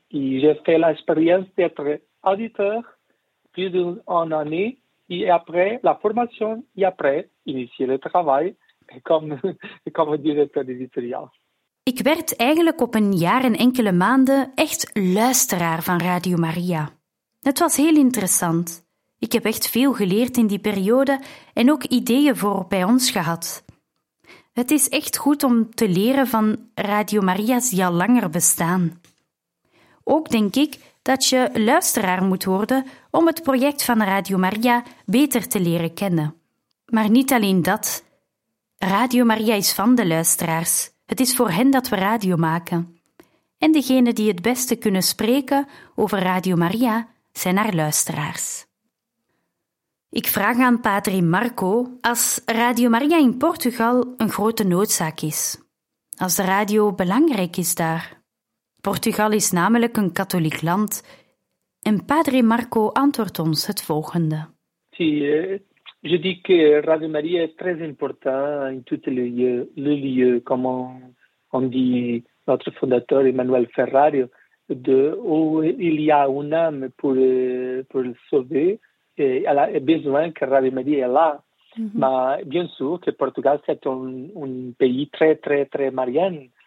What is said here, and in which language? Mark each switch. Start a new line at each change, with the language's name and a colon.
French: Et j'ai fait l'expérience d'être auditeur plus d'une année, et après la formation, et après initier le travail. Comme directeur éditorial.
Dutch: Ik werd eigenlijk op een jaar en enkele maanden echt luisteraar van Radio Maria. Het was heel interessant. Ik heb echt veel geleerd in die periode en ook ideeën voor bij ons gehad. Het is echt goed om te leren van Radio Maria's die al langer bestaan. Ook denk ik dat je luisteraar moet worden om het project van Radio Maria beter te leren kennen. Maar niet alleen dat. Radio Maria is van de luisteraars. Het is voor hen dat we radio maken. En degenen die het beste kunnen spreken over Radio Maria zijn haar luisteraars. Ik vraag aan Padre Marco als Radio Maria in Portugal een grote noodzaak is. Als de radio belangrijk is daar. Portugal is namelijk een katholiek land. En Padre Marco antwoordt ons het volgende.
French: Je dis que Radio Maria est très important en tout le lieu, comme on dit notre fondateur Emmanuel Ferrario, de où il y a une âme pour le sauver. Elle a besoin que Radio Maria est là. Mais bien sûr que Portugal, c'est un pays très, très, très marien.